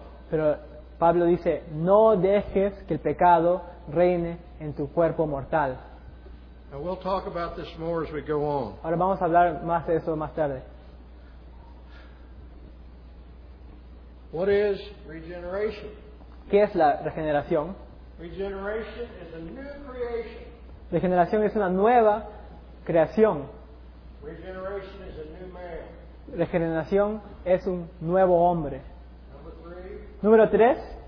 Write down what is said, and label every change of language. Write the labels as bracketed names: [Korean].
[Spanish] Pero Pablo dice, no dejes que el pecado reine en tu cuerpo mortal. [English] Now we'll talk about this more as we go on. [Spanish] Ahora vamos a hablar más de eso más tarde. [English] What is regeneration? [Spanish] ¿Qué es la regeneración? [English] Regeneration is a new creation. [Spanish] Regeneración es una nueva creación. [English] Regeneration is a new man. [Spanish] Regeneración es un nuevo hombre. Número 3.